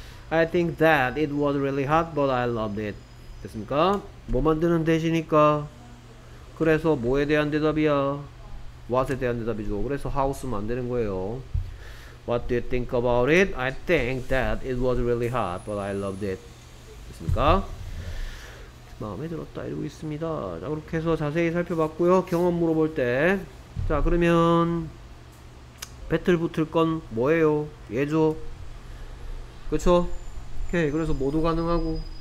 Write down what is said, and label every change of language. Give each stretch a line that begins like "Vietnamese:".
English: I think that it was really hot but I loved it.
Korean: 됐습니까? 뭐 만드는 that이니까 그래서 뭐에 대한 대답이야? what에 대한 대답이죠. 그래서 how 쓰면 안 되는 거예요.
English: What do you think about it? I think that it was really hot, but I loved it.
Korean: 됐습니까? 마음에 들었다 이러고 있습니다. 자, 그렇게 해서 자세히 살펴봤고요. 경험 물어볼 때. 자, 그러면 배틀 붙을 건 뭐예요? 예죠? 그쵸? 오케이, 그래서 모두 가능하고.